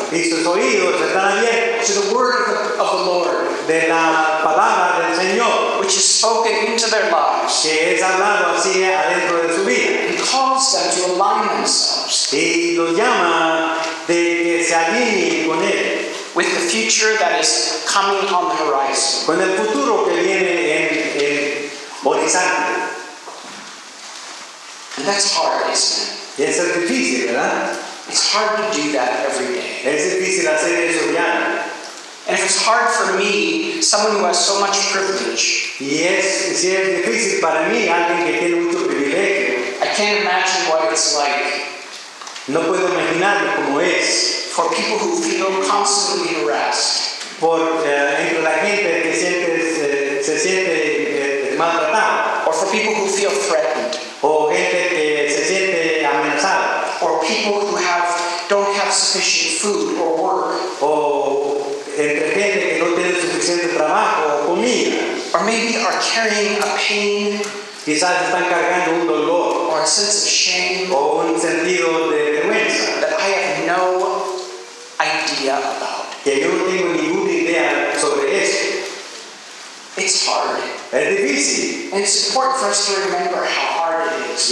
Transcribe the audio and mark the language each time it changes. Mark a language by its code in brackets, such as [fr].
[es] Y sus oídos están abiertos [en] to the word of the Lord. [es] De la palabra del Señor, [en] which is spoken into their lives, [es] que es hablado así adentro de su vida, [en] and calls them to align themselves, [es] y los llama de que se alineen con él, [en] with the future that is coming on the horizon, [es] con el futuro que viene en el horizonte. [en] And that's hard, isn't it? [es] Y eso es difícil, ¿verdad? [en] It's hard to do that every day. [es] Es difícil hacer eso diario. [en] And if it's hard for me, someone who has so much privilege, yes, [es] si es difícil para mí, alguien que tiene mucho privilegio, [en] I can't imagine what it's like. [es] No puedo imaginarlo como es. [en] For people who feel constantly harassed. [es] Por entre la gente que siente, se siente maltratado. [en] Or for people who feel threatened. [es] O gente que se siente amenazada. [en] Or people who don't have sufficient food or work. [es] O entre gente que no tiene suficiente trabajo o comida. [en] Or maybe are carrying a pain. [es] Quizás están cargando un dolor. [en] Or a sense of shame. [es] O un sentido de vergüenza. [en] That I have no idea about. [es] Que yo no tengo ninguna idea sobre eso. [en] It's hard. [es] Es difícil. [en] And it's important for us to remember how hard it is.